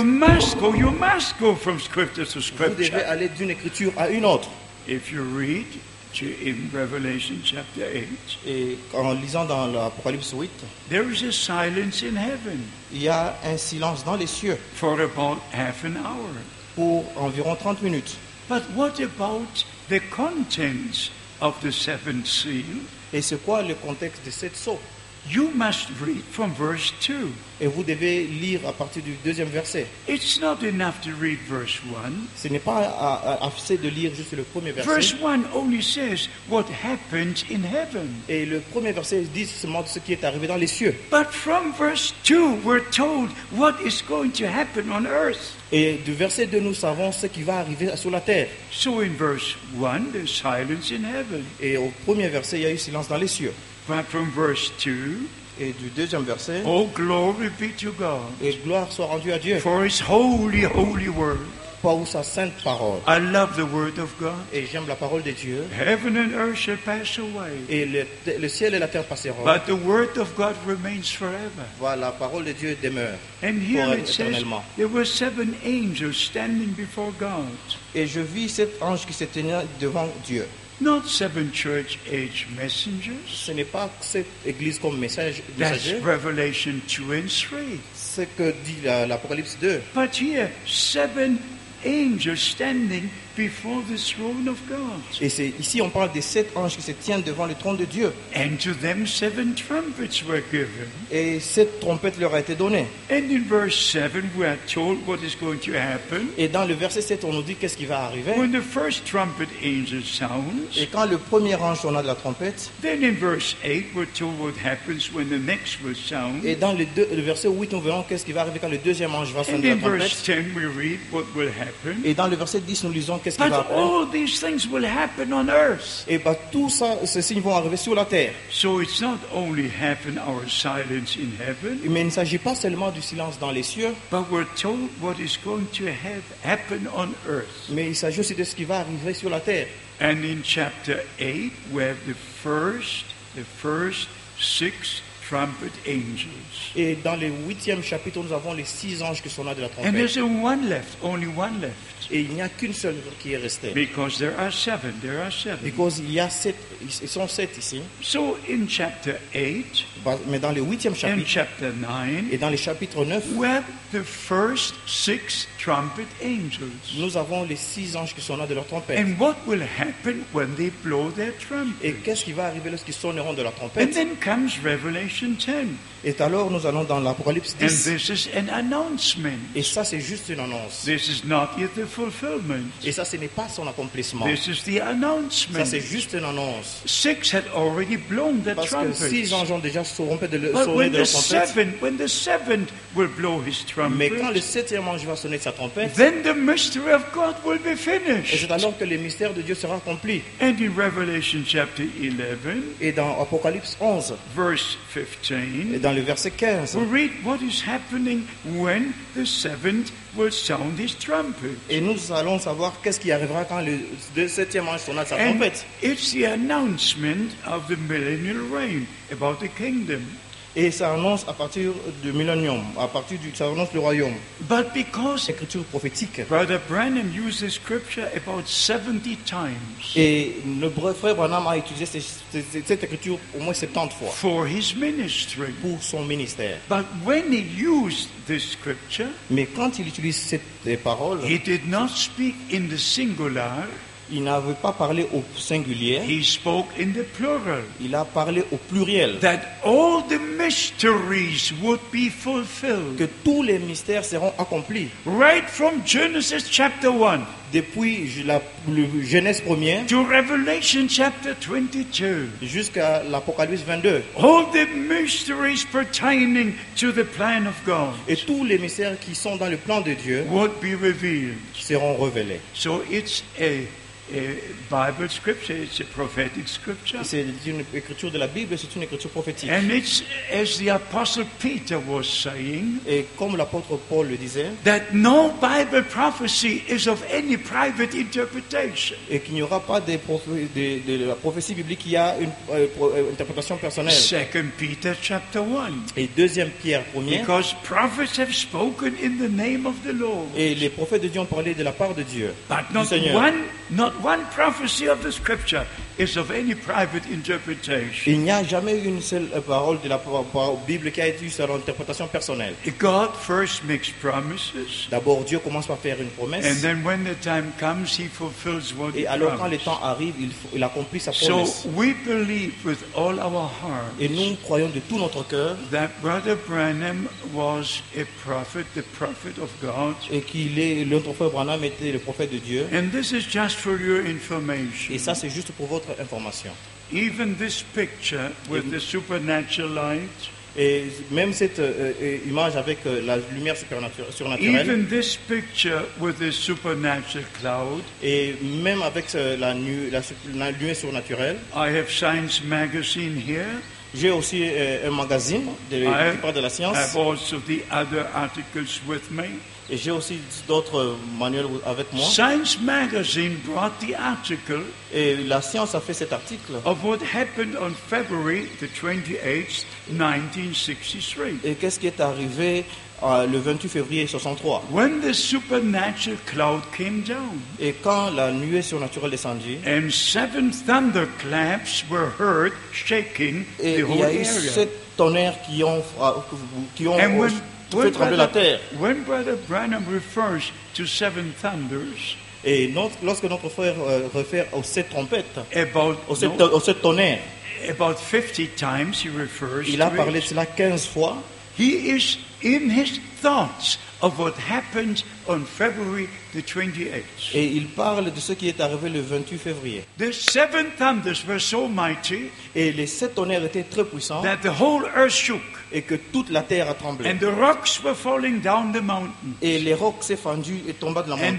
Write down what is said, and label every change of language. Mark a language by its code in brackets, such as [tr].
[en] You must go from scripture to scripture. [fr] Vous devez aller d'une écriture à une autre. [en] If you read in Revelation chapter 8. [fr] Et en lisant dans l'Apocalypse 8. [en] There is a silence in heaven. [fr] Il y a un silence dans les cieux. [en] For about half an hour. [fr] Pour environ 30 minutes. [en] But what about the contents of the seventh seal? [fr] Et c'est quoi le contexte de cette sceau? [en] You must read from verse 2. [fr] Et vous devez lire à partir du deuxième verset. [en] It's not enough to read verse 1. [fr] Ce n'est pas assez de lire juste le premier verset. [en] Verse 1 only says what happened in heaven. [fr] Et le premier verset dit seulement ce qui est arrivé dans les cieux. [en] But from verse 2 we're told what is going to happen on earth. [fr] Et du verset 2 nous savons ce qui va arriver sur la terre. [en] So in verse 1 there's silence in heaven. [fr] Et au premier verset il y a eu silence dans les cieux. [en] But from verse 2, [fr] et du deuxième verset, [en] oh glory be to God, [fr] et gloire soit rendue à Dieu, [en] for his holy, holy word, [fr] pour sa sainte parole. [en] I love the word of God, [fr] et j'aime la parole de Dieu. [en] Heaven and earth shall pass away, [fr] et le ciel et la terre passeront, [en] but the word of God remains forever. [fr] Voilà, parole de Dieu demeure. [en] And here it says, there were seven angels standing before God. [fr] Et je vis sept anges qui se tenaient devant Dieu. [en] Not seven church age messengers. [fr] Ce n'est pas cette église comme message. [en] That's Revelation 2 and 3. [fr] Ce que dit l'Apocalypse 2. [en] But here, seven angels standing before the throne of God. [fr] Et c'est ici on parle des sept anges qui se tiennent devant le trône de Dieu. [en] And to them seven trumpets were given. [fr] Et sept trompettes leur a été donnée. [en] And in verse 7 we are told what is going to happen. [fr] Et dans le verset 7 on nous dit qu'est-ce qui va arriver. [en] When the first trumpet angel sounds. [fr] Et quand le premier ange sonna de la trompette. [en] Then in verse 8 we're told what happens when the next will sound. [fr] Et dans le verset 8 nous verrons qu'est-ce qui va arriver quand le deuxième ange va sonner la trompette. [en] And in verse 10 we read what will happen. [fr] Et dans le verset 10 nous lisons qu'est-ce [en] but all these things will happen on earth. [fr] Et bah tout ça, ces signes vont arriver sur la terre. [en] So it's not only happen our silence in heaven. [fr] Mais il ne s'agit pas seulement du silence dans les cieux. [en] But we're told what is going to happen on earth. [fr] Mais il s'agit aussi de ce qui va arriver sur la terre. [en] And in chapter 8, we have the first six trumpet angels. [fr] Et dans le huitième chapitre, nous avons les six anges qui sont là de la trompette. [en] And there's one left, only one left. [fr] Et il n'y a qu'une seule qui est restée. [en] Because there are seven, there are seven. Because [fr] il y a sept, ils sont sept ici. [en] So in chapter 8, [fr] mais dans le huitième chapitre, [en] and chapter 9, [fr] et dans les chapitres 9, [en] we have the first six trumpet angels. [fr] Nous avons les six anges qui sont là de leur trompette. [en] And what will happen when they blow their trumpets? [fr] Et qu'est-ce qui va arriver lorsqu'ils sonneront de la trompette? [en] And then comes Revelation. Revelation 10. [fr] Et alors nous allons dans l'Apocalypse 10. [en] And this is an announcement. [fr] Et ça c'est juste une annonce. [en] This is not yet the fulfillment. [fr] Et ça ce n'est pas son accomplissement. [en] This is the announcement. [fr] Ça c'est juste une annonce. [en] Six had already blown their trumpets. [fr] Parce que six anges ont déjà sonné de leur trompette. [en] When the seventh will blow his trumpet. [fr] Mais quand le septième ange va sonner sa trompette. [en] Then the mystery of God will be finished. [fr] Et c'est alors que le mystère de Dieu sera accompli. [en] And in Revelation chapter 11. [fr] Et dans Apocalypse 11. [en] Verse 15. [fr] Dans le verset 15. [en] We read what is happening when the seventh will sound his trumpet. [fr] Et nous allons savoir qu'est-ce qui arrivera quand le septième ange sonnera sa trompette. [en] It's the announcement of the millennial reign about the kingdom. [fr] Et ça annonce à partir du millénium, à partir du ça annonce le royaume. [en] But because [fr] l'écriture prophétique. [en] Brother Branham used this scripture about 70 times. [fr] Et le frère Branham a utilisé cette écriture au moins 70 fois. [en] For his ministry. [fr] Pour son ministère. [en] But when he used this scripture. [fr] Mais quand il utilise cette parole. [en] He did not speak in the singular. [fr] Il n'avait pas parlé au singulier. [en] He spoke in the plural. [fr] Il a parlé au pluriel. [en] That all the mysteries would be fulfilled. [fr] Que tous les mystères seront accomplis. [en] Right from Genesis chapter 1. [fr] Depuis le Genèse 1er. [en] To Revelation chapter 22. [fr] Jusqu'à l'Apocalypse 22. [en] All the mysteries pertaining to the plan of God. [fr] Et tous les mystères qui sont dans le plan de Dieu. [en] Would be revealed. [fr] Seront révélés. [en] So it's a Bible scripture, it's a prophetic scripture. [fr] C'est une écriture de la Bible, c'est une écriture prophétique. [en] And it's as the Apostle Peter was saying. [fr] Et comme l'apôtre Paul le disait. [en] That no Bible prophecy is of any private interpretation. [fr] Et qu'il n'y aura pas de la prophétie biblique qui a une interprétation personnelle. [en] Second Peter chapter 1. [fr] Et deuxième Pierre 1er. [en] Because prophets have spoken in the name of the Lord. [fr] Et les prophètes de Dieu ont parlé de la part de Dieu. [en] But not [fr] Seigneur. [en] One prophecy of the scripture is of any private interpretation. [fr] Il n'y a jamais une seule parole de la Bible qui a été sur l'interprétation personnelle. [en] God first makes promises. [fr] D'abord Dieu commence par faire une promesse. [en] And then when the time comes, he fulfills what he promised. [fr] Et alors quand le temps arrive, il accomplit sa promesse. [en] So we believe with all our hearts. [fr] Et nous croyons de tout notre cœur. [en] That Brother Branham was a prophet, the prophet of God. [fr] Et qu'il est l'autre frère Branham était le prophète de Dieu. [en] And this is just for your information. [fr] Et ça c'est juste pour votre information. [en] Even this picture with the supernatural light. [fr] Et même cette image avec la lumière surnaturelle. [en] Even this picture with the supernatural cloud. [fr] Et même avec la nuée surnaturelle. [en] I have Science Magazine here. [fr] J'ai aussi un magazine qui parle de la science. [en] I have also the other articles with me. [fr] Et j'ai aussi d'autres manuels avec moi. [en] Science Magazine brought the article. [fr] Et la science a fait cet article. [en] Of what happened on February the 28th, 1963. [fr] Et qu'est-ce qui est arrivé le 28 février 63? [en] When the supernatural cloud came down. [fr] Et quand la nuée surnaturelle descendit. [en] And seven thunderclaps were heard shaking the whole area. [fr] Et il y a eu sept tonnerres qui ont [en] When Brother Branham refers to seven thunders, [fr] et lorsque notre frère réfère aux sept trompettes, aux sept tonnerres, [en] about 50 times he refers. [fr] Il a parlé cela 15 fois. [en] He is in his thoughts of what happened on February the 28th. [fr] Et il parle de ce qui est arrivé le 28 février. [en] The seven thunders were so mighty. [fr] Et les sept tonnerres étaient très puissants. [en] That the whole earth shook. [fr] Et que toute la terre a tremblé. [en] And the rocks were falling down the mountains. [fr] Et les rocs s'est fendu et tomba de la montagne.